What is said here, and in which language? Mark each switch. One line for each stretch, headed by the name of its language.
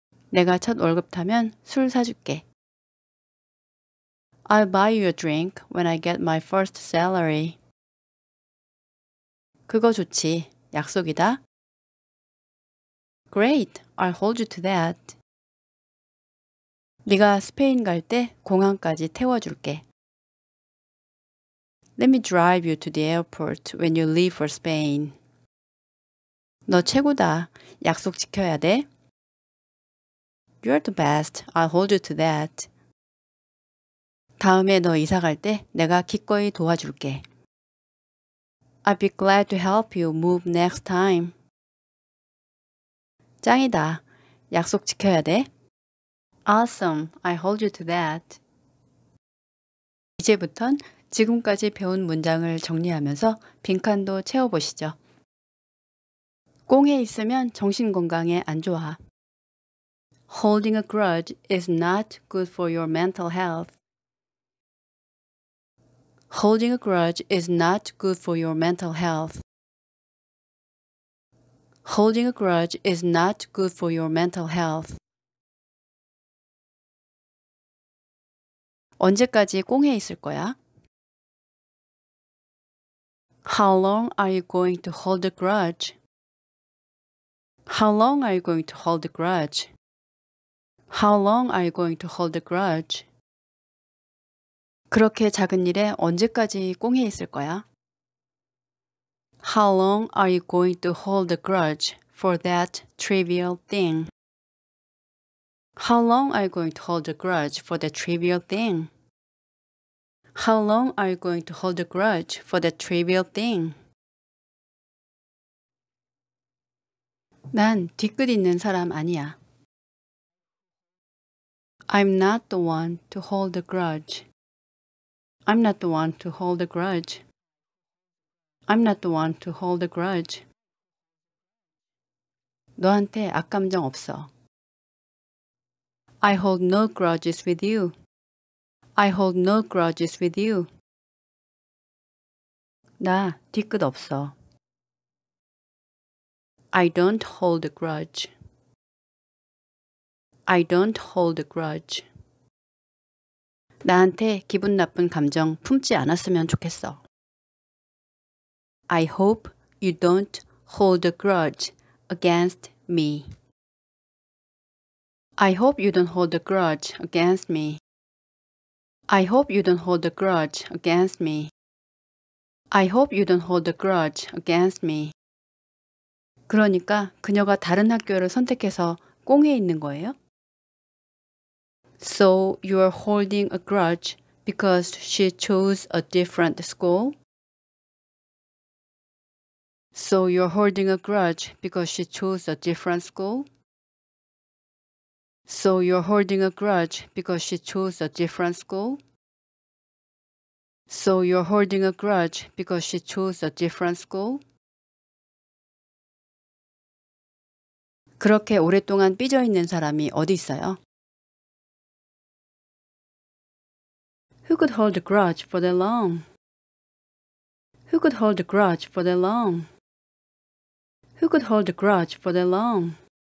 Korean: 내가 첫 월급 타면 술 사줄게.
English: I'll buy you a drink when I get my first salary.
Korean: 그거 좋지. 약속이다.
English: Great. I'll hold you to that.
Korean: 네가 스페인 갈 때 공항까지 태워줄게.
English: Let me drive you to the airport when you leave for Spain.
Korean: 너 최고다. 약속 지켜야 돼.
English: You're the best. I'll hold you to that.
Korean: 다음에 너 이사 갈 때 내가 기꺼이 도와줄게.
English: I'll be glad to help you move next time.
Korean: 짱이다. 약속 지켜야 돼.
English: Awesome. I'll hold you to that.
Korean: 이제부턴 지금까지 배운 문장을 정리하면서 빈칸도 채워보시죠. 꽁에 있으면 정신 건강에 안 좋아.
English: Holding a grudge is not good for your mental health. Holding a grudge is not good for your mental health. Holding a grudge is not good for your mental health.
Korean: 언제까지 꽁에 있을 거야?
English: How long are you going to hold a grudge? How long are you going to hold a grudge? How long are you going to hold a grudge?
Korean: 그렇게 작은 일에 언제까지 꽁해 있을 거야?
English: How long are you going to hold a grudge for that trivial thing? How long are you going to hold a grudge for that trivial thing? How long are you going to hold a grudge for that trivial thing?
Korean: 난 뒤끝 있는 사람 아니야.
English: I'm not the one to hold a grudge. I'm not the one to hold a grudge. I'm not the one to hold a grudge.
Korean: 너한테 악감정 없어.
English: I hold no grudges with you. I hold no grudges with you.
Korean: 나 뒤끝 없어.
English: I don't hold a grudge. I don't hold a grudge.
Korean: 나한테 기분 나쁜 감정 품지 않았으면 좋겠어.
English: I hope you don't hold a grudge against me. I hope you don't hold a grudge against me. I hope you don't hold a grudge against me. I hope you don't hold a grudge against me.
Korean: 그러니까 그녀가 다른 학교를 선택해서 꽁에 있는 거예요?
English: So you're holding a grudge because she chose a different school? So you're holding a grudge because she chose a different school? So you're holding a grudge because she chose a different school? So you're holding a grudge because she chose a different school?
Korean: 그렇게 오랫동안 삐져 있는 사람이 어디 있어요?
English: Who could hold a grudge for that long? Who could hold a grudge for that long? Who could hold a grudge for that long?